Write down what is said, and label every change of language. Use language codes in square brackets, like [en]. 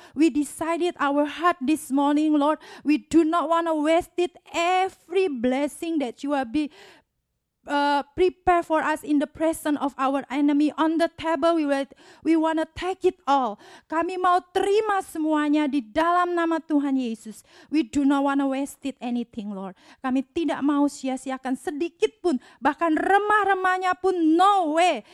[en] We decided our heart this morning Lord, we do not want to waste it, every blessing that you will be prepare for us in the presence of our enemy on the table. We want to take it all. [id] Kami mau terima semuanya di dalam nama Tuhan Yesus. [en] We do not want to waste it anything, Lord. [id] Kami tidak mau sia-siakan sedikit pun, bahkan remah-remahnya pun, [en] no way.